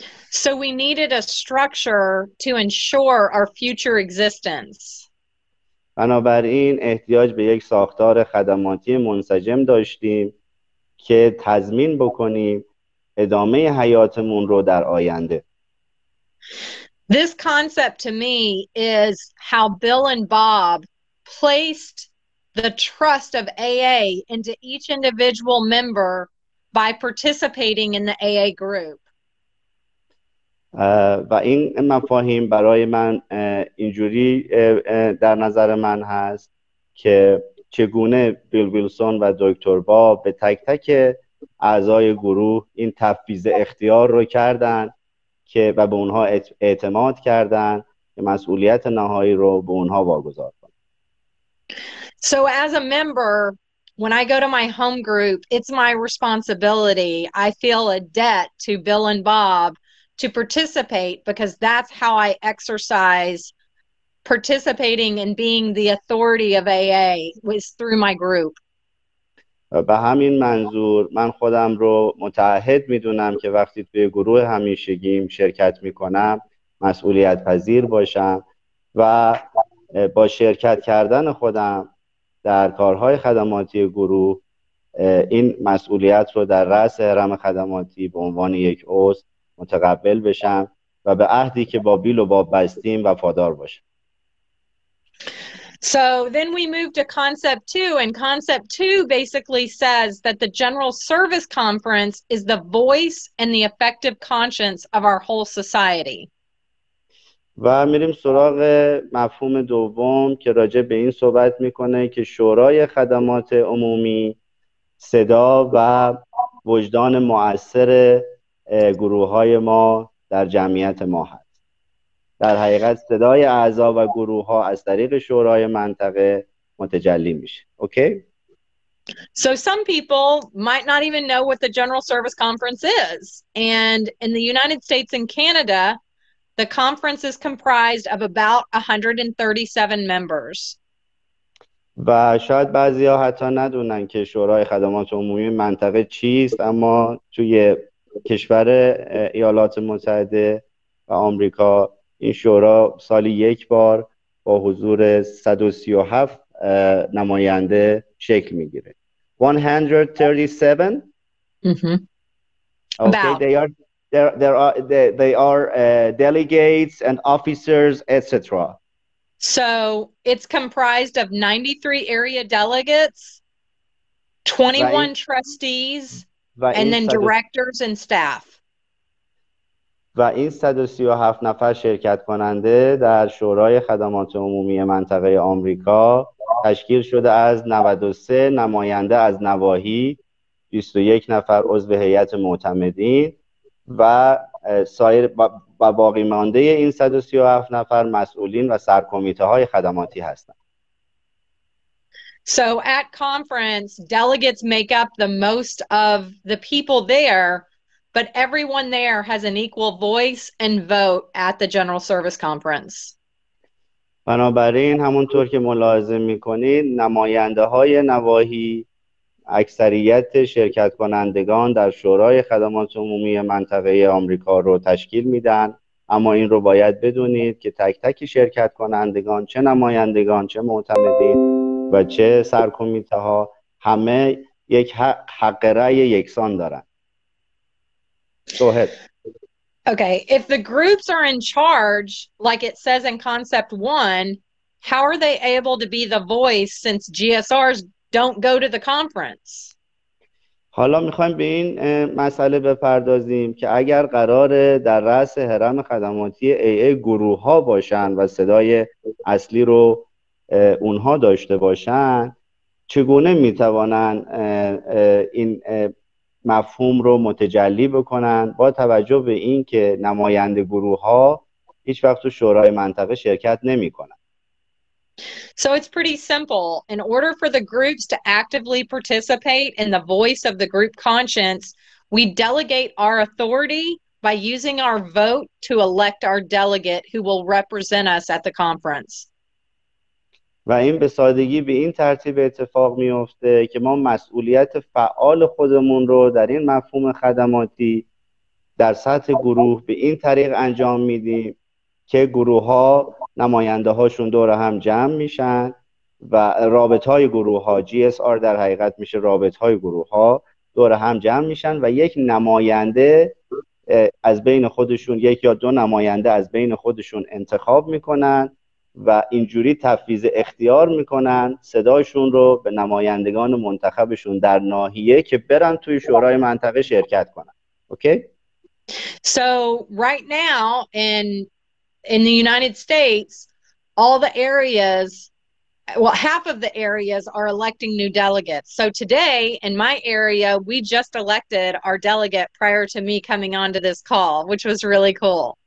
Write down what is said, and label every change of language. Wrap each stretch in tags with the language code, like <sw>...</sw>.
<en>So we needed a structure to ensure our future existence.</en> <fa>بنابراین احتیاج به یک ساختار خدماتی منسجم داشتیم که تضمین بکنیم ادامه حیاتمون رو در آینده.</fa> <en>This concept to me is how Bill and Bob placed the trust of AA into each individual member by participating in the AA group.</en> <fa>و این مفاهیم برای من اینجوری در نظر من هست که چگونه بیل ویلسون و دکتر با به تک تک اعضای گروه این تفویض اختیار رو کردن که و به اونها اعتماد کردن که مسئولیت نهایی رو به اونها واگذار کنن.</fa> <en>So as a member, when I go to my home group, it's my responsibility. I feel a debt to Bill and Bob to participate because that's how I exercise participating and being the authority of AA was through my group.</en> <fa>به همین منظور من خودم رو متعهد میدونم که وقتی توی گروه همیشگیم شرکت میکنم مسئولیت پذیر باشم و با شرکت کردن خودم در کارهای خدماتی گروه این مسئولیت رو در رأس هرم خدماتی به عنوان یک عضو متقبل بشم و به عهدی که با بیل و باب بستیم وفادار باشم.</fa> <en>So then we move to concept two, and concept two basically says that the General Service Conference is the voice and the effective conscience of our whole society.</en> <fa>و میریم سراغ مفهوم دوم که راجع به این صحبت میکنه که شورای خدمات عمومی صدا و وجدان مؤثر گروه های ما در جمعیت ما هست. در حقیقت صدای اعضا و گروه ها از طریق شورای منطقه متجلی میشه.</fa> <en>Okay? So some people might not even know what the General Service Conference is. And in the United States and Canada, the conference is comprised of about 137 members.</en> <fa>و شاید بعضی ها حتی ندونن که شورای خدمات عمومی منطقه چیست، اما توی کشور ایالات متحده و آمریکا این شورا سالی یک بار با حضور 137 نماینده شکل میگیره.</fa> <en>137. Mm-hmm. Okay, about. they are delegates and officers, etc. So it's comprised of 93 area delegates, 21 trustees, and then directors and staff.</en> <fa>و این 137 نفر شرکت کننده در شورای خدمات عمومی منطقه آمریکا تشکیل شده از 93 نماینده از نواحی، 21 نفر عضو هیئت معتمدین و سایر و باقی مانده این 137 نفر مسئولین و سرکمیته های خدماتی هستند.</fa> <en>So at conference, delegates make up the most of the people there. But everyone there has an equal voice and vote at the General Service Conference.</en> <fa>بنابراین همونطور که ملاحظه میکنید نماینده های نواحی اکثریت شرکت کنندگان در شورای خدمات عمومی منطقه آمریکا رو تشکیل میدن، اما این رو باید بدونید که تک تک شرکت کنندگان، چه نمایندگان، چه معتمدین و چه سرکمیته ها، همه یک حق رأی یکسان دارن.</fa> <en>Go ahead. Okay, if the groups are in charge, like it says in concept one, how are they able to be the voice since GSRs don't go to the conference?</en> <fa>حالا میخوایم به این مسئله بپردازیم که اگر قراره در رأس هرم خدماتی AA گروه ها باشن و صدای اصلی رو اونها داشته باشن، چگونه میتوانن این مفهوم رو متجلی بکنن با توجه به این که نماینده گروه ها هیچ وقت تو شورای منطقه شرکت نمی کنن.</fa> <en>So it's pretty simple. In order for the groups to actively participate in the voice of the group conscience, we delegate our authority by using our vote to elect our delegate who will represent us at the conference.</en> <fa>و این به سادگی به این ترتیب اتفاق میفته که ما مسئولیت فعال خودمون رو در این مفهوم خدماتی در سطح گروه به این طریق انجام میدیم که گروه ها نماینده هاشون دور هم جمع میشن و رابط های گروه ها GSR در حقیقت میشه رابط های گروه ها دور هم جمع میشن و یک نماینده از بین خودشون یک یا دو نماینده از بین خودشون انتخاب میکنن و اینجوری تفویض اختیار میکنن صداشون رو به نمایندگان منتخبشون در ناحیه که برن توی شورای منطقه شرکت کنن.</fa> <en>Okay? So right now in the United States, all the areas, well, half of the areas are electing new delegates. So today, in my area, we just elected our delegate prior to me coming onto this call, which was really cool.</en>